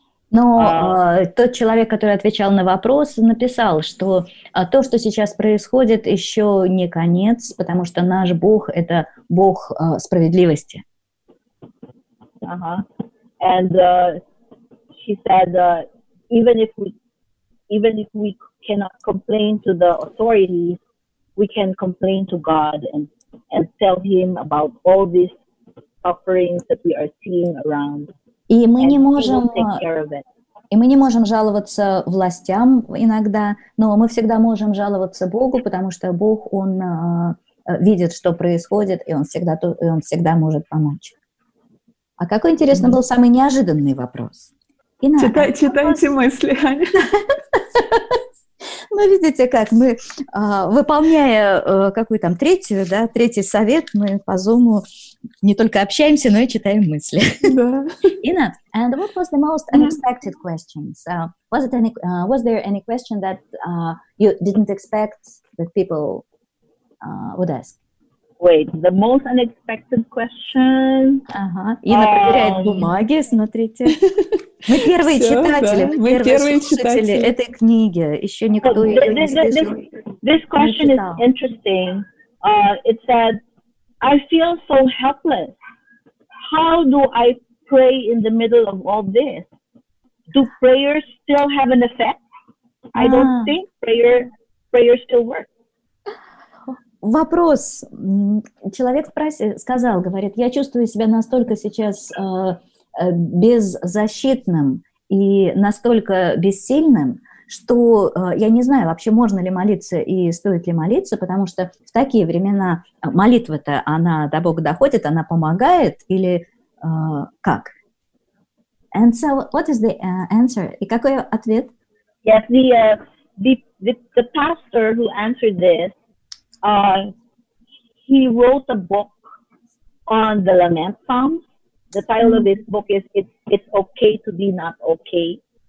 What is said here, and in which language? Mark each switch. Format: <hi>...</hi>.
<ru>Тот человек, который отвечал на вопрос, написал, что то, что сейчас происходит, еще не конец, потому что наш Бог — это Бог справедливости.</ru> <en>And she said, even if we cannot complain to the authorities, we can complain to God and tell Him about all this suffering that we are seeing around.</en> <ru>И мы не можем жаловаться властям иногда, но мы всегда можем жаловаться Богу, потому что Бог, Он видит, что происходит, и Он всегда может помочь. А какой, интересно, был самый неожиданный вопрос? Inna, читайте мысли, Аня. Видите, как мы, выполняя какую там третий совет, мы по Zoom не только общаемся, но и читаем мысли.</ru> <en>Inna, and what was the most unexpected question? So, was there any question that you didn't expect that people would ask? Wait, the most unexpected question.</en> <ru>Ага. Инна проверяет бумаги, смотрите. Мы первые читатели, мы первые слушатели этой книги. Еще никто ее не слышал.</ru> <en>This question is interesting. It said, I feel so helpless. How do I pray in the middle of all this? Do prayers still have an effect? I don't think prayers still work.</en> <ru>Вопрос. Человек сказал, говорит, я чувствую себя настолько сейчас беззащитным и настолько бессильным, что я не знаю, вообще можно ли молиться и стоит ли молиться, потому что в такие времена молитва-то, она до Бога доходит, она помогает или как?</ru> <en>And so, what is the answer?</en> <ru>И какой ответ?</ru> <en>Yes, the pastor who answered this, he wrote a book on the Lament Psalms. The title of his book is "It's Okay to Be Not Okay."</en>